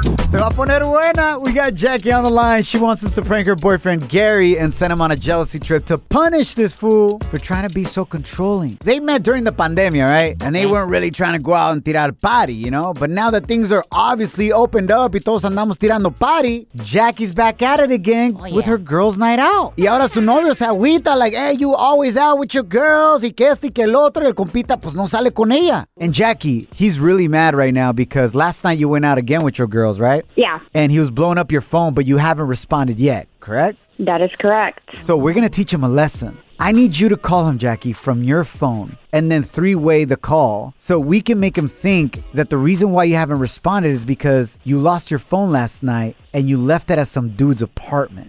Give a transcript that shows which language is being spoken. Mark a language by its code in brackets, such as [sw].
[es] Te va a poner buena. [en] We got Jackie on the line. She wants us to prank her boyfriend, Gary, and send him on a jealousy trip to punish this fool for trying to be so controlling. They met during the pandemia, right? And they weren't really trying to go out and [es] tirar party, [en] you know? But now that things are obviously opened up [es] y todos andamos tirando party, [en] Jackie's back at it again with her girls' night out. [es] Y ahora su novio se agüita [en] like, hey, you always out with your girls. [es] Y que este y que el otro, el compita, pues no sale con ella. [en] And Jackie, he's really mad right now because last night you went out again with your girls, right? Yeah. And he was blowing up your phone, but you haven't responded yet, correct? That is correct. So we're going to teach him a lesson. I need you to call him, Jackie, from your phone and then three-way the call so we can make him think that the reason why you haven't responded is because you lost your phone last night and you left it at some dude's apartment.